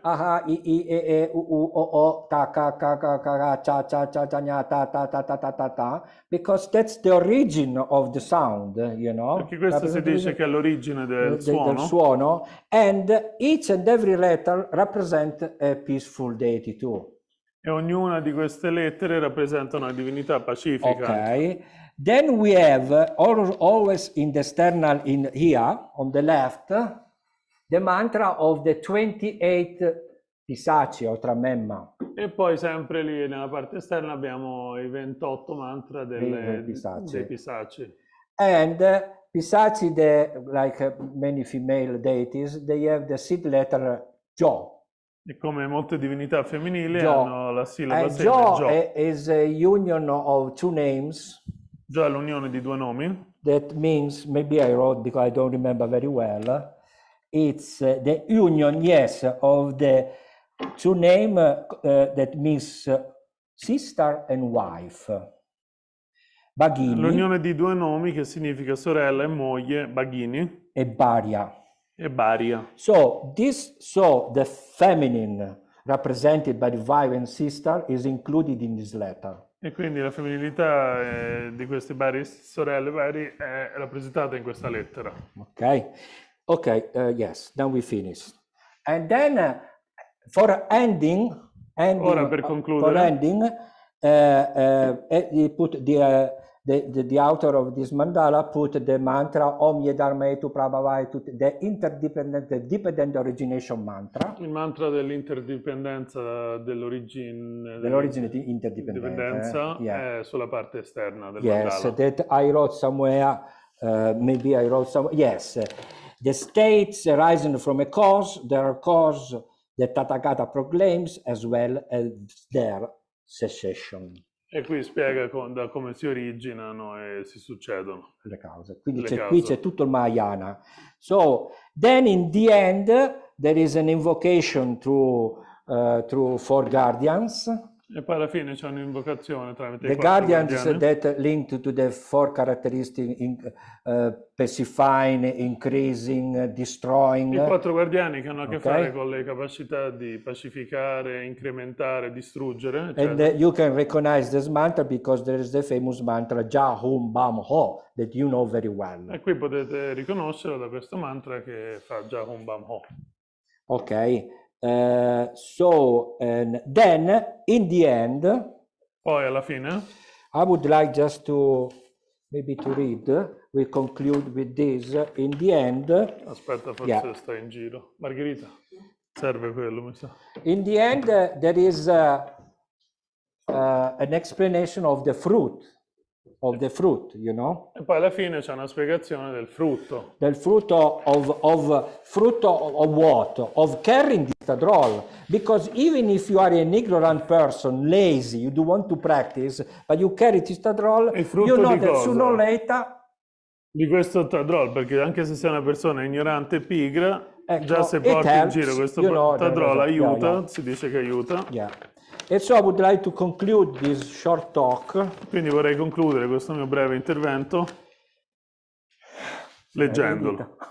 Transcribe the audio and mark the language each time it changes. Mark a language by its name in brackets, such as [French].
[Sanskrit] Aha, i, e, e, u, u, o, o, ta, ka, ka, ka, ka, ka, cha, cha, cha, cha, nya, ta, ta, ta, ta, ta, ta, ta. [English] Because that's the origin of the sound, you know. [Italian] Perché questo si dice che è l'origine del suono. [English] And each and every letter represent a peaceful deity too. [Italian] E ognuna di queste lettere rappresenta una divinità pacifica. [English] Ok. Then we have always in the external in here on the left the mantra of the 28 Pisaci o Tramemma. [Italian] E poi sempre lì nella parte esterna abbiamo i 28 mantra dei Pisaci. [English] And Pisaci, like many female deities, they have the seed letter Jo. [Italian] E come molte divinità femminili Jo. Hanno la sillaba Jo. [English] Jo is a union of two names. [Italian] Jo è l'unione di due nomi. [English] That means, maybe I wrote because I don't remember very well. It's the union, yes, of the two names that means sister and wife. Baghini. [Italian] L'unione di due nomi che significa sorella e moglie, Baghini. E Baria. E Baria. [English] So the feminine represented by the wife and sister is included in this letter. [Italian] E quindi la femminilità di queste varie sorelle varie è rappresentata in questa lettera. [English] Ok. Ok, yes, then we finish. And then for ending [Italian] ora per concludere. [English] For ending put the author of this mandala put the mantra [Sanskrit] Om Yedharma Etu Prabhavai, [English] the interdependent, the dependent origination mantra. [Italian] Il mantra dell'interdipendenza dell'origine di interdipendenza yeah. Sulla parte esterna del [English] yes, [Italian] mandala. [English] Yes, that I wrote somewhere, maybe I wrote somewhere, yes. The states arising from a cause, there are cause that Tathagata proclaims as well as their cessation. [Italian] E qui spiega da come si originano e si succedono le cause. Quindi le c'è, cause. Qui c'è tutto il Mahayana. [English] So, then in the end, there is an invocation through four guardians. [Italian] E poi alla fine c'è un'invocazione tramite [English] the [Italian] i quattro [English] guardians [Italian] guardiani. [English] That linked to the four characteristics, pacifying, increasing, destroying. [Italian] I quattro guardiani che hanno a che okay. fare con le capacità di pacificare, incrementare, distruggere. Eccetera. [English] And you can recognize this mantra because there is the famous mantra Ja Hum Bam Ho that you know very well. [Italian] E qui potete riconoscerlo da questo mantra che fa Ja Hum Bam Ho. [English] Ok. So and then in the end [Italian] poi alla fine [English] I would like just to maybe to read we conclude with this in the end [Italian] aspetta forse yeah. sta in giro Margherita serve quello mi sa [English] in the end there is an explanation of the fruit of the fruit you know [Italian] e poi alla fine c'è una spiegazione del frutto [English] of what of caring at all. Because even if you are an ignorant person, lazy, you do want to practice, but you carry this tadrol, you know that [Italian] cosa? [English] Sooner or later... [Italian] Di questo tadrol, perché anche se sei una persona ignorante e pigra, ecco, già se porti [English] helps, [Italian] in giro questo [English] you know, tadrol was, [Italian] aiuta, [English] yeah, yeah. [Italian] si dice che aiuta. [English] Yeah. And so I would like to conclude this short talk. [Italian] Quindi vorrei concludere questo mio breve intervento leggendolo.